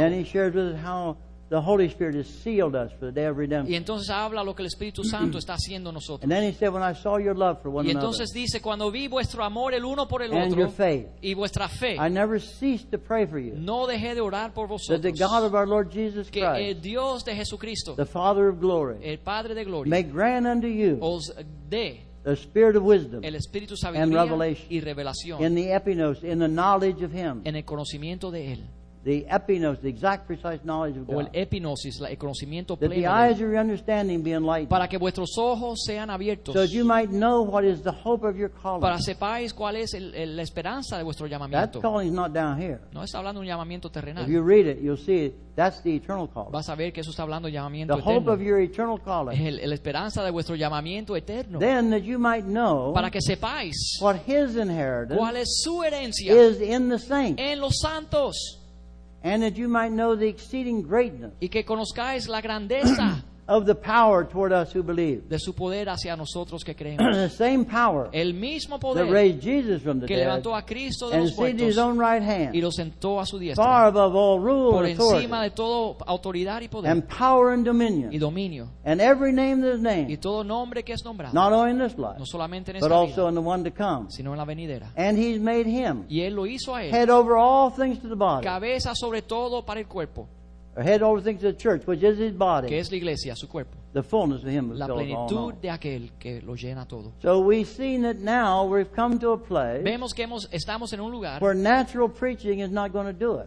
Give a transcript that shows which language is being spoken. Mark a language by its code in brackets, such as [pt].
[en] Then He shares with us how the Holy Spirit has sealed us for the day of redemption. [es] Y entonces habla lo que el Espíritu Santo está haciendo nosotros. [en] And then He said, "When I saw your love for one another." [es] Y entonces [en] another, [es] dice, cuando vi vuestro amor el uno por el otro, [en] and your faith, [es] y vuestra fe, [en] I never ceased to pray for you. [es] No dejé de orar por vosotros. [en] That the God of our Lord Jesus Christ, [es] que el Dios de Jesucristo, [en] the Father of glory, [es] el Padre de gloria, [en] may grant unto you, [es] os dé, [en] the Spirit of wisdom, [es] el Espíritu Sabiduría, [en] and revelation, [es] y revelación, [en] in the epinos, in the knowledge of Him, [es] en el conocimiento de él. [en] The epinos, the exact precise knowledge of God. [es] O el epinosis, el conocimiento pleno. [en] That the eyes of your understanding be enlightened. [es] Para que vuestros ojos sean abiertos. [en] So that you might know what is the hope of your calling. [es] Para sepáis cuál es la esperanza de vuestro llamamiento. [en] That calling is not down here. [es] No está hablando de un llamamiento terrenal. [en] If you read it, you'll see it. That's the eternal calling. [es] Vas a ver que eso está hablando de llamamiento [en] the [es] eterno. [en] The hope of your eternal calling. [es] La esperanza de vuestro llamamiento eterno. [en] Then that you might know. [es] Para que sepáis. [en] What His inheritance. [es] Cuál es su herencia. [en] Is in the saints. [es] En los santos. [en] And that you might know the exceeding greatness [es] y que conozcáis la grandeza [en] of the power toward us who believe. [es] De su poder hacia nosotros que creemos. [en] The same power, [es] el mismo poder, [en] that raised Jesus from the [es] que [en] dead [es] levantó a Cristo de [en] and [es] los muertos, [en] seated his own right hand [es] y lo sentó a su diestra, [en] far above all rule [es] por [en] and authority, [es] encima de todo autoridad y poder, [en] and power and dominion [es] y dominio, [en] and every name that is named [es] y todo nombre que es nombrado, [en] not only in this life [es] no solamente en [en] but [es] esta [en] also [es] vida, [en] in the one to come [es] sino en la venidera. [en] And he's made him [es] y él lo hizo a él, [en] head over all things to the body, [es] cabeza sobre todo para el cuerpo, [en] head over things to the church, which is his body, [es] que es la iglesia, su cuerpo, [en] the fullness of him [es] la plenitud de aquel que lo llena todo. [en] So we've seen that now we've come to a place, [es] vemos que hemos, estamos en un lugar, [en] where natural preaching is not going to do it,